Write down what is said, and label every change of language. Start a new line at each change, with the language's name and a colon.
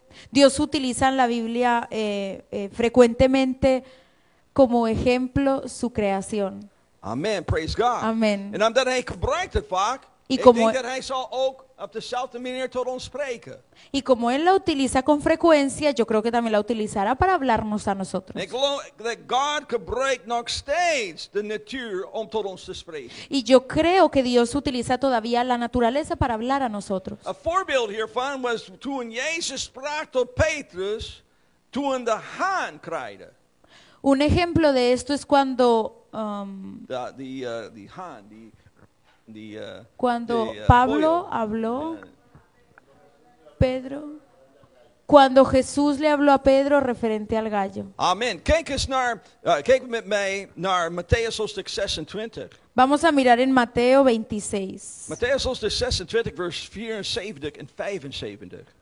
Spanish: Dios utiliza en la Biblia frecuentemente como ejemplo su creación.
English: Amén, praise God.
Spanish: Amén.
Dutch: En omdat hij gebruikt het vaak,
Spanish: y como
Dutch: ik denk dat hij zal ook op dezelfde manier tot ons spreken.
Spanish: Y como él la utiliza con frecuencia, yo creo que también la utilizará para hablarnos a nosotros.
Dutch: Ik geloof dat God gebruikt nog steeds de natuur om tot ons te spreken.
Spanish: Y yo creo que Dios utiliza todavía la naturaleza para hablar a nosotros.
Dutch: A voorbeeld hiervan was toen Jezus sprak tot Petrus toen de haan kraaide.
Spanish: Un ejemplo de esto es cuando cuando Jesús le habló a Pedro referente al gallo. Amén.
Dutch: Kijk met mij naar Mateus hoofdstuk 26.
Spanish: Vamos a mirar en Mateo 26.
Dutch: Mateus hoofdstuk 26 vers 74 en 75.